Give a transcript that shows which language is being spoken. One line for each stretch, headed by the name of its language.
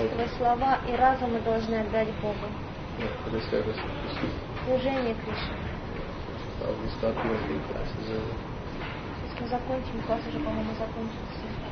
Russian: Жизнь, богатство, слова и разум мы должны отдать Богу.
English: For the service of Krishna.
Russian: Служение Кришне.
English: So we stop here and leave class as early.
Russian: Мы закончим, класс уже, по-моему, закончился.